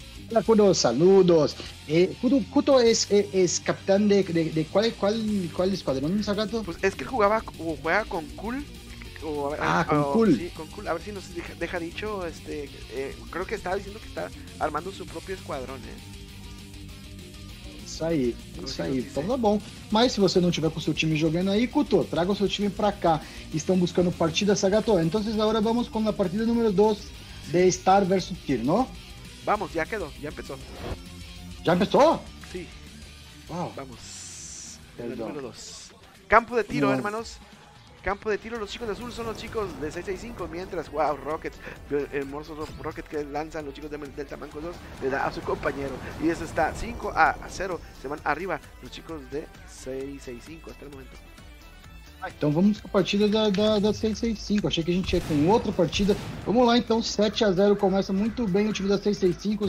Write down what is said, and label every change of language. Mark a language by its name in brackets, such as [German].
[Spanish] Hola Cuto, saludos, Cuto es capitán de cuál escuadrón, mi sagato? Pues es que jugaba o juega con Cool. Con Cool. A ver si nos deja dicho, creo que estaba diciendo que está armando su propio escuadrón, [Portuguese] Isso aí, então tá bom. Mas se você não tiver com seu time jogando aí, Couto, traga o seu time pra cá. Estão buscando partida, Sagato. Então agora vamos com a partida número 2 de Star vs Tyr, não? Vamos, já quedou, já começou. Já começou? Sim. Wow. Vamos. Número 2. [Spanish] Campo de tiro, hermanos. Campo de tiro, los chicos de azul son los chicos de 665. Mientras, wow, Rocket, el hermoso Rocket que lanzan los chicos de Delta Manco 2, le da a su compañero. Y eso está 5-0. Se van arriba los chicos de 665 hasta el momento. [Portuguese] Então vamos com a partida da 665. Achei que a gente ia com outra partida. Vamos lá então, 7-0. Começa muito bem o time da 665.